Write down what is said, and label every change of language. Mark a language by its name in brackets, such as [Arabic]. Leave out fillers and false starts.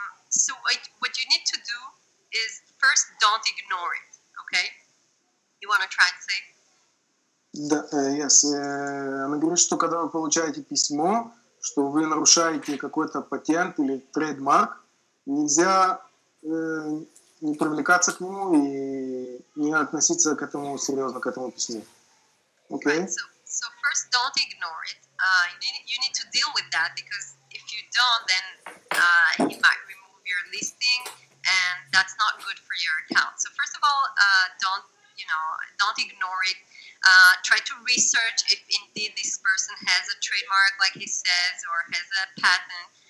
[English] So what you need to do is, first, don't ignore it, okay? You want to try to say? [Russian] Да, yes. Она говорит, что когда вы получаете письмо, что вы нарушаете какой-то патент или трейдмарк, нельзя не привлекаться к нему и не относиться к этому серьезно, к этому письму. [English] Okay. Right. So first, don't ignore it. You need to deal with that, because if you don't, then he might remove your listing, and that's not good for your account. So first of all, don't ignore it. Try to research if indeed this person has a trademark, like he says, or has a patent.